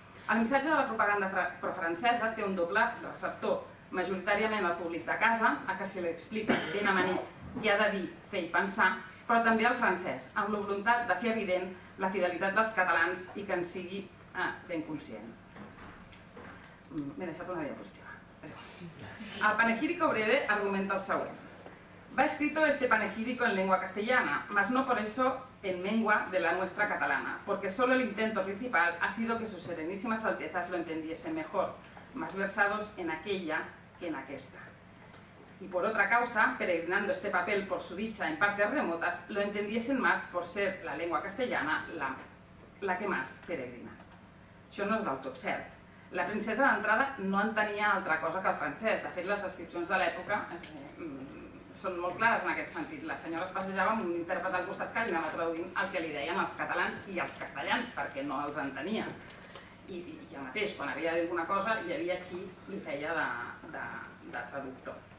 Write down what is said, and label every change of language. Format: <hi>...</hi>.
<ca>El missatge de la propaganda pro-francesa té un doble receptor, majoritàriament el públic de casa, a que si l'explica ben amanit i ha de dir, fer i pensar, però també el francès, amb la voluntat de fer evident la fidelitat dels catalans i que en sigui ben conscient. M'he deixat una diapositiva. El panegírico breve argumenta el següent.</ca> <es>Va escrito este panegírico en lengua castellana, mas no por eso en mengua de la nuestra catalana, porque solo el intento principal ha sido que sus serenísimas altezas lo entendiesen mejor, más versados en aquella que en aquesta. Y por otra causa, peregrinando este papel por su dicha en partes remotas, lo entendiesen más por ser la lengua castellana la que más peregrina.</es> <ca>Això no és d'autoexcert. La princesa d'entrada no entenia altra cosa que el francès. De fet, les descripcions de l'època són molt clares en aquest sentit. La senyora es passejava amb un intèrpret al costat que li anava traduint el que li deien els catalans i els castellans, perquè no els entenia. I el mateix, quan havia de dir alguna cosa, hi havia qui li feia de traductor.</ca>